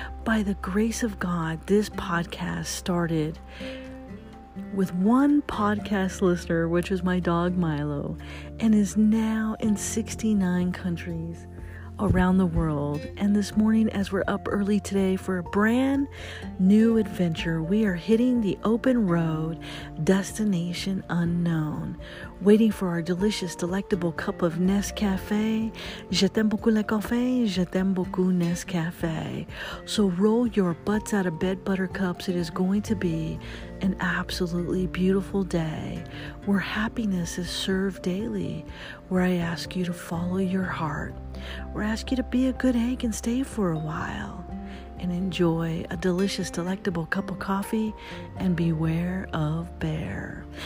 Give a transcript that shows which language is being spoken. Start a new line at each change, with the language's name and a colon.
English: By the grace of God, this podcast started with one podcast listener, which is my dog Milo, and is now in 69 countries around the world. And this morning, as we're up early today for a brand new adventure, we are hitting the open road, destination unknown, waiting for our delicious, delectable cup of Nescafe.
French: Je t'aime beaucoup le café, je t'aime beaucoup Nescafe.
English: So roll your butts out of bed, buttercups. It is going to be an absolutely beautiful day where happiness is served daily, where I ask you to follow your heart, where I ask you to be a good egg and stay for a while and enjoy a delicious, delectable cup of coffee and beware of bear.